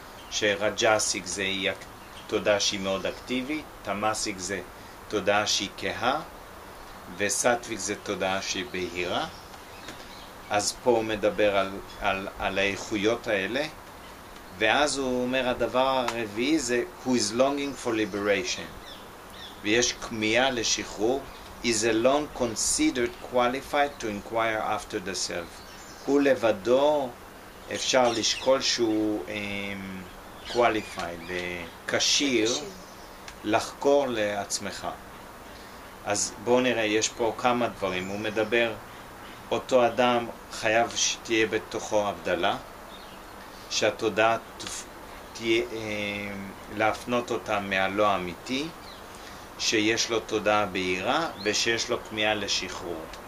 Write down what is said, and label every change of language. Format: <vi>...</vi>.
<he>שרג'סיק זה תודעה שהיא מאוד אקטיבית, תמאסיק זה תודעה שהיא כהה, וסטוויק זה תודעה שהיא בהירה. אז פה הוא מדבר על האיכויות האלה. ואז הוא אומר, הדבר הרביעי זה</he> <en>who is longing for liberation.</en> <he>ויש כמיהה לשחרור.</he> <en>is alone considered qualified to inquire after the self.</en> <he>הוא לבדו אפשר לשקול שהוא qualified, וכשיר לחקור לעצמך. אז בואו נראה, יש פה כמה דברים. הוא מדבר, אותו אדם חייב שתהיה בתוכו הבדלה, שהתודעה תהיה להפנות אותה מהלא אמיתי, שיש לו תודעה בהירה ושיש לו כמיהה לשחרור.</he>